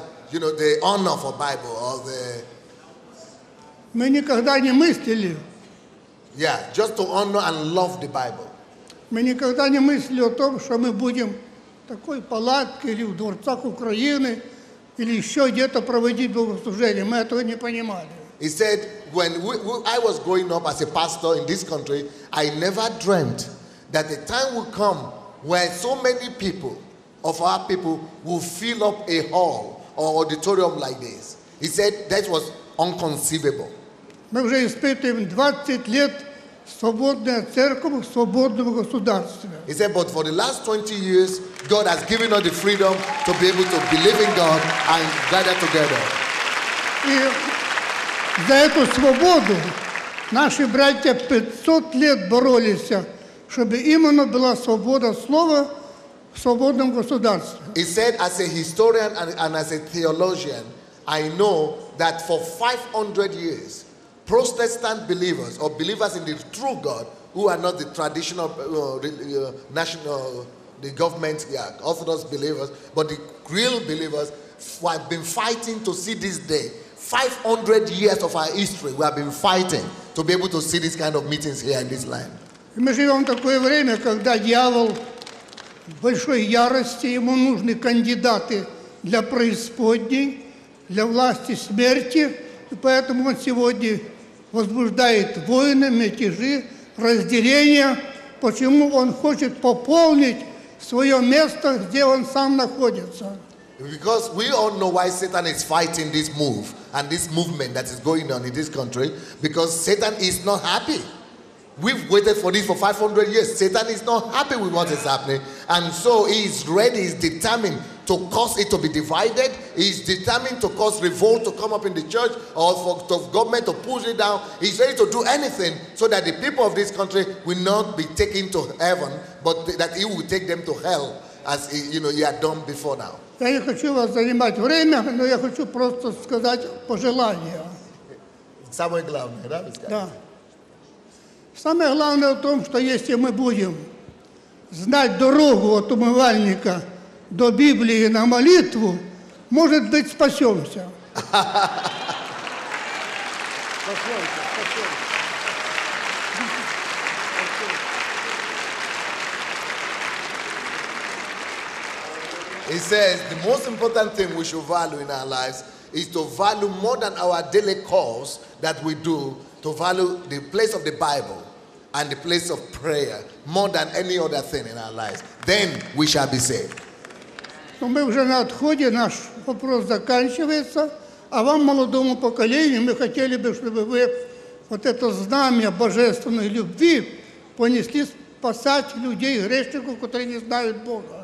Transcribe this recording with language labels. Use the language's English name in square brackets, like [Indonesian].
[English] you know, the honor for Bible or the [Russian] мы никогда не мыслили. [English] Yeah, just to honor and love the Bible. [Russian] Мы никогда не мыслили о том, что мы будем такой палатке или в дворцах Украины или еще где-то проводить богослужение. Мы этого не понимали. [English] He said, when I was growing up as a pastor in this country, I never dreamt that the time would come where so many people of our people will fill up a hall or auditorium like this. He said that was unconceivable. [Russian] Мы уже испытываем 20 лет свободная церковь в свободном государстве. [English] He said, but for the last 20 years, God has given us the freedom to be able to believe in God and gather together. [Russian] За эту свободу наши братья 500 лет боролись, чтобы именно была свобода слова в свободном государстве. [English] He said, as a historian and as a theologian, I know that for 500 years, Protestant believers or believers in the true God, who are not the traditional national, the government, Orthodox believers, but the real believers, have been fighting to see this day. 500 years of our history, we have been fighting to be able to see these kind of meetings here in this land. [Russian] Мы живем такое время, когда дьявол в большой ярости, ему нужны кандидаты для преисподней, для власти смерти, и поэтому он сегодня возбуждает войны, мятежи, разделения. Почему он хочет пополнить свое место, где он сам находится? [English] Because we all know why Satan is fighting this move and this movement that is going on in this country, because Satan is not happy. We've waited for this for 500 years. Satan is not happy with what is happening. And so he is ready, he's determined to cause it to be divided. He's determined to cause revolt to come up in the church or for the government to push it down. He's ready to do anything so that the people of this country will not be taken to heaven, but that he will take them to hell as he, you know, he had done before now. [Russian] Я не хочу вас занимать время, но я хочу просто сказать пожелание. Самое главное, да, вы сказали? Да. Самое главное в том, что если мы будем знать дорогу от умывальника до Библии на молитву, может быть, спасемся. [English] He says the most important thing we should value in our lives is to value more than our daily calls that we do, to value the place of the Bible and the place of prayer more than any other thing in our lives. Then we shall be saved. [Russian] Мы уже на отходе, наш вопрос заканчивается. А вам, молодому поколению, мы хотели бы, чтобы вы вот это знамя божественной любви понесли спасать людей, грешников, которые не знают Бога.